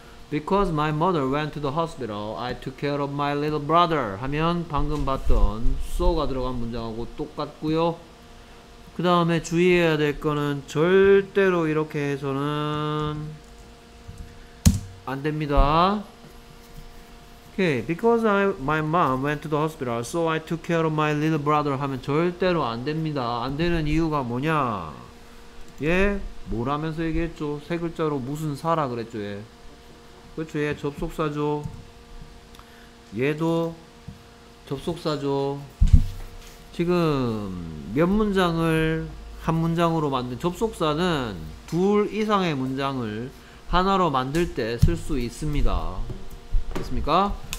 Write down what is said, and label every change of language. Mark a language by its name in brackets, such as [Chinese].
[English] Because my mother went to the hospital, I took care of my little brother. [Korean] 하면 방금 봤던 so가 들어간 문장하고 똑같고요. 그 다음에 주의해야 될 거는 절대로 이렇게 해서는 안 됩니다. [English] Okay, because my mom went to the hospital, so I took care of my little brother [Korean] 하면 절대로 안 됩니다. 안 되는 이유가 뭐냐? 예? 뭐라면서 얘기했죠? 세 글자로 무슨 사라 그랬죠, 예? 그렇죠, 예? 접속사죠? 얘도 접속사죠? 지금 몇 문장을 한 문장으로 만든 접속사는 둘 이상의 문장을 하나로 만들 때 쓸 수 있습니다. 됐습니까?